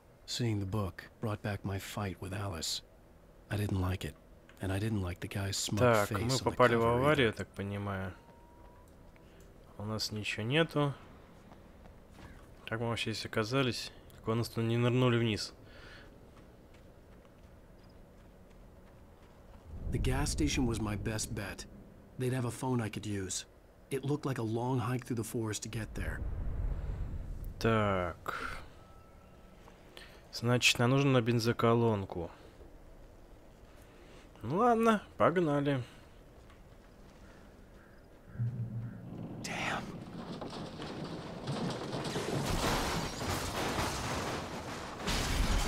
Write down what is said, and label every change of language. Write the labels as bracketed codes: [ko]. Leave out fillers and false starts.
[en] Seeing the book brought back my fight with Alice. I didn't like it, and I didn't like the guy's smug face on the cover. [ru] Так, мы попали в аварию, так понимаю. У нас ничего нету. Как мы вообще здесь оказались? Как у нас тут не нырнули вниз? [en] The gas station was my best bet. They'd have a phone I could use. It looked like a long hike through the forest to get there. [ru] Так. Значит, нам нужно на бензоколонку. Ну ладно, погнали. [en] Damn.